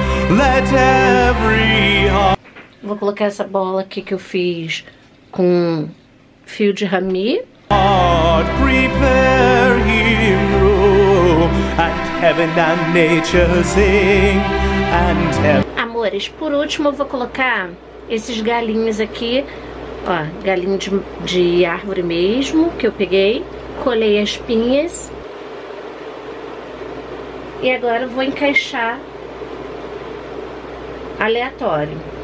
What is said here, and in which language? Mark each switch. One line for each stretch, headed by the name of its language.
English: Let every heart.
Portuguese: Vou colocar essa bola aqui que eu fiz com fio de rami.
English: God prepare him room, and heaven and nature sing and heaven.
Portuguese: Por último, eu vou colocar esses galinhos aqui, ó, galinho de árvore mesmo, que eu peguei, colei as pinhas, e agora eu vou encaixar aleatório.